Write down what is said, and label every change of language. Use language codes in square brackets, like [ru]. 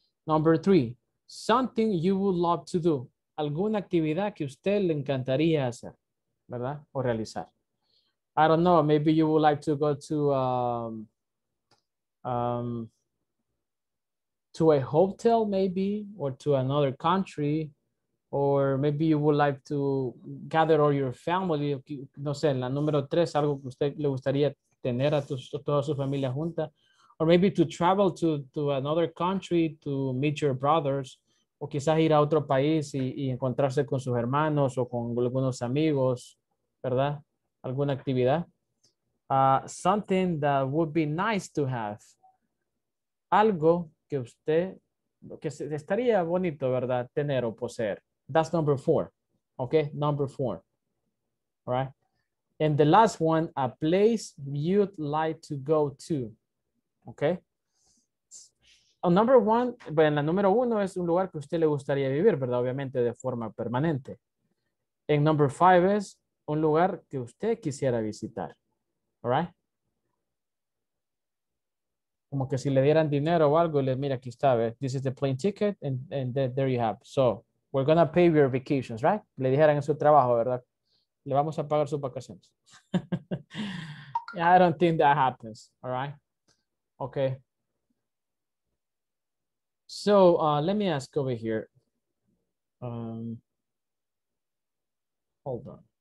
[en] Number three, something you would love to do. [es] Alguna actividad que usted le encantaría hacer, ¿verdad? O realizar. [en] I don't know, maybe you would like to go to a hotel maybe, or to another country, or maybe you would like to gather all your family, [es] no sé, la número tres, algo que usted le gustaría tener a toda su familia junta, [en] or maybe to travel to another country to meet your brothers, [es] o quizás ir a otro país y encontrarse con sus hermanos o con algunos amigos, ¿verdad? Alguna actividad. [en] Something that would be nice to have. [es] Algo que usted, que estaría bonito, ¿verdad? Tener o poseer. [en] That's number four. Okay, number four. All right. And the last one, a place you'd like to go to. Okay. [es] A number one, bueno, la número uno es un lugar que usted le gustaría vivir, ¿verdad? Obviamente de forma permanente. [en] And number five is [es] un lugar que usted quisiera visitar. All right? Como que si le dieran dinero o algo, le mira, aquí está, ¿ver? [en] This is the plane ticket, and there you have. So, we're going to pay your vacations, right? [es] Le dijeran en su trabajo, ¿verdad? Le vamos a pagar sus vacaciones. [en] I don't think that happens, all right? Okay. So, let me ask over here. Hold on.